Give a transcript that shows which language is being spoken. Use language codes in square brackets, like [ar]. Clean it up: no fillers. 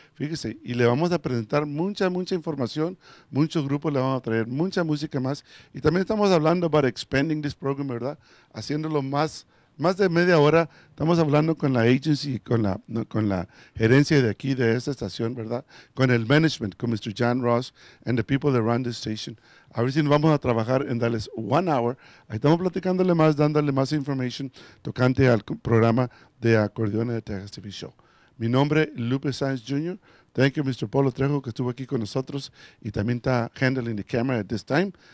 [es] Fíjese, y le vamos a presentar mucha, mucha información. Muchos grupos le vamos a traer mucha música más. Y también estamos hablando [en] about expanding this program, [es] ¿verdad? Haciéndolo más de media hora. Estamos hablando con la agency, con la gerencia de aquí, de esta estación, ¿verdad? Con el management, con Mr. [en] John Ross and the people that run this station. [es] A ver si nos vamos a trabajar en darles [en] one hour. [es] Ahí estamos platicándole más, dándole más information tocante al programa de Acordeón de Texas TV Show. Mi nombre es Lupe Sáenz Jr. [en] Thank you, [es] Mr. Polo Trejo, que estuvo aquí con nosotros y también está [en] handling the camera at this time.